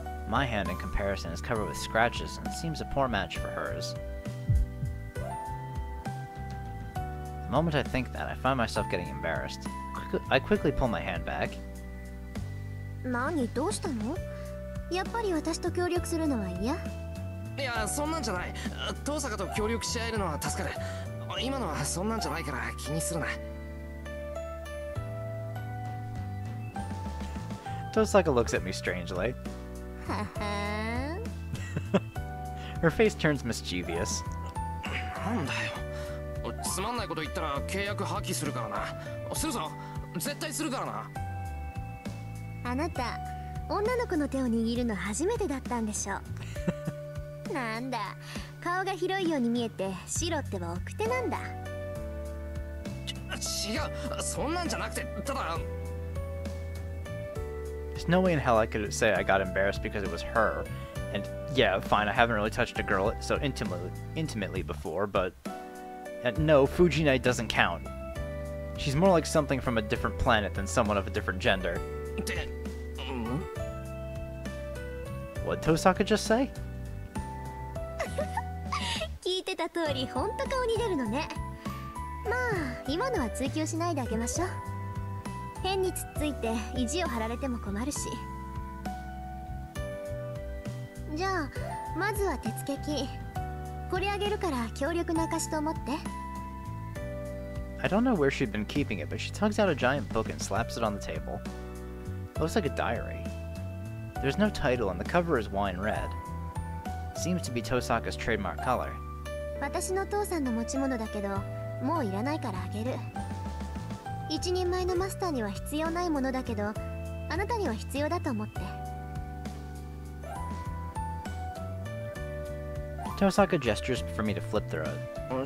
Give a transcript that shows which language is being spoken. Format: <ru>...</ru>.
<en>My hand, in comparison, is covered with scratches and seems a poor match for hers. The moment I think that, I find myself getting embarrassed. I quickly pull my hand back.</en> <ja>何、どうしたの。やっぱり私と協力するのは嫌。いや、そんなんじゃない。遠坂と協力し合えるのは助かる。今のはそんなんじゃないから気にするな。</ja> <en>遠坂 looks at me strangely. Her face turns mischievous.</en> <ja>なんだよ、つまんないこと言ったら契約破棄するからな。するぞ、絶対するからな。あなた、女の子の手を握るの初めてだったんでしょう。なんだ、顔が広いように見えてシロっては奥手なんだ。違う、そんなんじゃなくて、ただ…</ja> <en>There's no way in hell I could say I got embarrassed because it was her. And yeah, fine, I haven't really touched a girl so intimately before, but… And no, Fujinai doesn't count. She's more like something from a different planet than someone of a different gender. What did Tosaka just say?</en> <ja>聞いてた通り、本当顔に出るのね。まあ、今のは追求しないであげましょう。変に突っついて意地を張られても困るし。じゃあ、まずは手付金。これあげるから強力な証と思って。</ja> <en>I don't know where she'd been keeping it, but she tugs out a giant book and slaps it on the table. It looks like a diary. There's no title, and the cover is wine red. It seems to be Tosaka's trademark color.</en> <ja>私の父さんの持ち物だけど、もういらないからあげる。一人前のマスターには必要ないものだけど、あなたには必要だと思って。</ja> <en>Tosaka gestures for me to flip through it.</en>